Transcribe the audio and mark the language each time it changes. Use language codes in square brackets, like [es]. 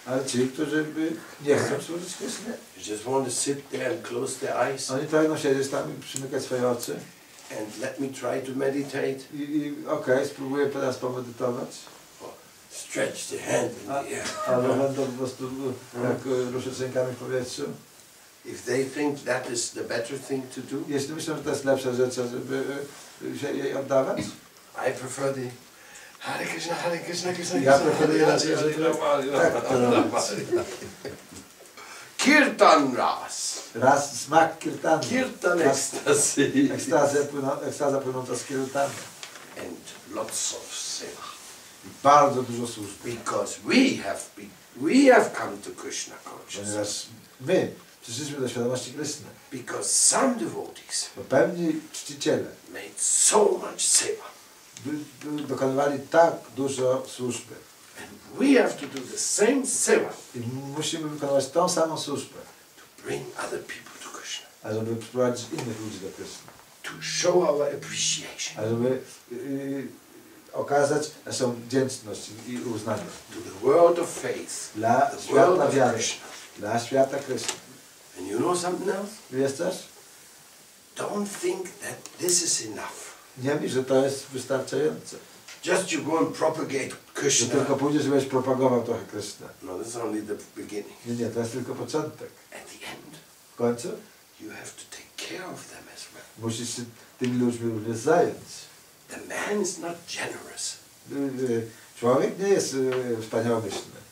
[pl] Ale ci, którzy by nie chcą służyć Krishna. [en] They just want to sit there and close their eyes. [pl] Oni pragną siedzieć tam i przymykać swoje oczy. [en] And let me try to meditate. [pl] Okej, spróbuję teraz pomedytować. [en] Stretch the hand in the air. [pl] Ale będą po prostu jak ruszyć rękami w powietrzu. [en] If they think that is the better thing to do. [pl] Jeśli myślą, że to jest lepsza rzecz, żeby się jej oddawać. [en] I prefer the Hare Krishna, Hare Krishna, Krishna Krishna. [pl] Ja preferuję raz, żeby tak Kirtan ras. Raz smak kirtan. [en] Kirtan ekstasy. [pl] Ekstaza płynąca z kirtan. [en] And lots of seva. [pl] Bardzo dużo służb. [en] Because we have come to Krishna consciousness. [pl] Przyszliśmy do świadomości Krishna. [en] Because some devotees. [pl] Bo pewni czciciele. [en] Made so much seva. [pl] Dokonywali tak dużo służby. [en] And we have to do the same seva. [pl] I musimy wykonywać tą samą służbę. [en] To bring other people to Krishna. [pl] A żeby przyprowadzić innych ludzi do Krishna. [en] To show our appreciation. [pl] A żeby okazać naszą wdzięczność i uznanie. [en] To the world of faith. [pl] Dla świata wiary. Dla świata Krishna. [en] And you know something else? [pl] Wiesz coś? [en] Don't think that this is enough. [pl] Nie myśl, że to jest wystarczające. [en] Just you go and propagate Krishna. [pl] Że tylko pójdziesz, żebyś propagował trochę Krishna. [en] No, this is only the beginning. [pl] Nie, to jest tylko początek. [en] At the end. [pl] W końcu? [en] You have to take care of them as well. [pl] Musisz się tymi ludźmi również zająć. [en] The man is not generous. [pl] Człowiek nie jest wspaniałomyślny.